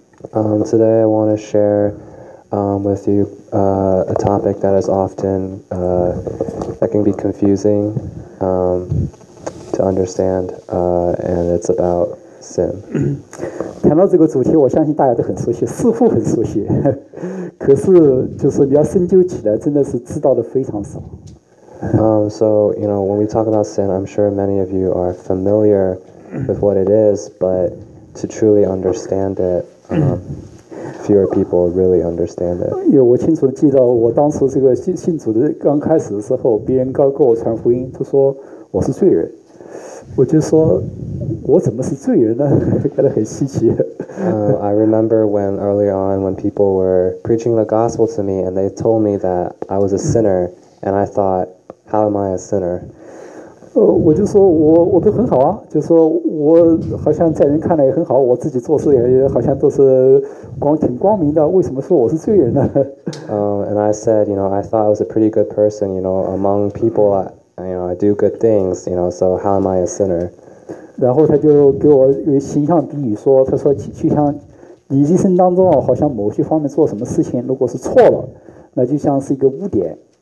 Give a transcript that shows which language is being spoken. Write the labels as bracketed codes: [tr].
[en] Today I want to share, with you, a topic that is often, that can be confusing, to understand, and it's about sin. [zh] 谈到这个主题，我相信大家都很熟悉，似乎很熟悉，可是就是你要深究起来，真的是知道的非常少。 [en] So you know, when we talk about sin, I'm sure many of you are familiar with what it is, but to truly understand it, fewer people really understand it. [zh] 我清楚记得我当时这个信主的刚开始的时候，别人刚跟我传福音，他说我是罪人。我就说，我怎么是罪人呢？感到很稀奇。 [en] I remember when early on, when people were preaching the gospel to me, and they told me that I was a sinner, and I thought, how am I a sinner? [zh] 我就说我都很好啊，就说我好像在人看来也很好，我自己做事也好像都是挺光明的，为什么说我是罪人呢？ [en] And I said, you know, I thought I was a pretty good person, you know, among people. You know, I do good things, you know, so how am I a sinner? [zh] 然后他就给我一个形象比喻说，他说就像你一生当中好像某些方面做什么事情如果是错了，那就像是一个污点。